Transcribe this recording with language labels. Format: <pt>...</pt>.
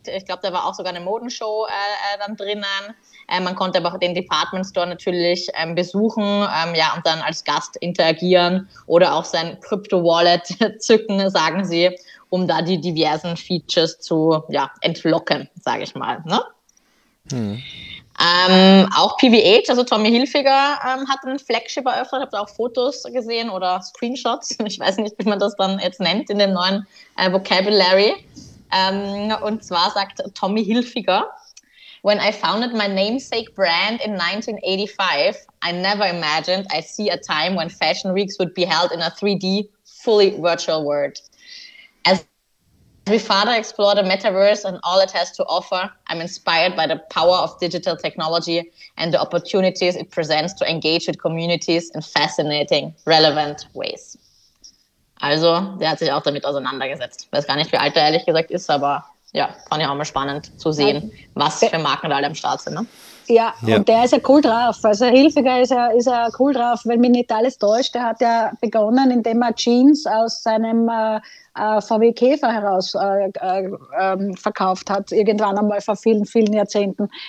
<de>Ich glaube, da war auch sogar eine Modenshow dann drinnen. Man konnte aber auch den Department Store natürlich besuchen ja, und dann als Gast interagieren oder auch sein Crypto-Wallet zücken, sagen sie, um da die diversen Features zu ja, entlocken, sage ich mal. Ne? Hm. Auch PVH, also Tommy Hilfiger, hat ein Flagship eröffnet, habt ihr auch Fotos gesehen oder Screenshots, ich weiß nicht, wie man das dann jetzt nennt in dem neuen Vocabulary. Und zwar sagt Tommy Hilfiger:</de> <en>"When I founded my namesake brand in 1985, I never imagined I'd see a time when fashion weeks would be held in a 3D, fully virtual world. As we further explore the metaverse and all it has to offer, I'm inspired by the power of digital technology and the opportunities it presents to engage with communities in fascinating, relevant ways."</en> <de>Also, der hat sich auch damit auseinandergesetzt. Weiß gar nicht, wie alt er ehrlich gesagt ist, aber ja, fand ich auch mal spannend zu sehen, was für Marken da alle am Start sind. Ne? Ja, ja, und der ist ja cool drauf. Also Hilfiger ist ja cool drauf, wenn mich nicht alles täuscht. Der hat ja begonnen, indem er Jeans aus seinem VW Käfer heraus verkauft hat, irgendwann einmal vor vielen, vielen Jahrzehnten.</de>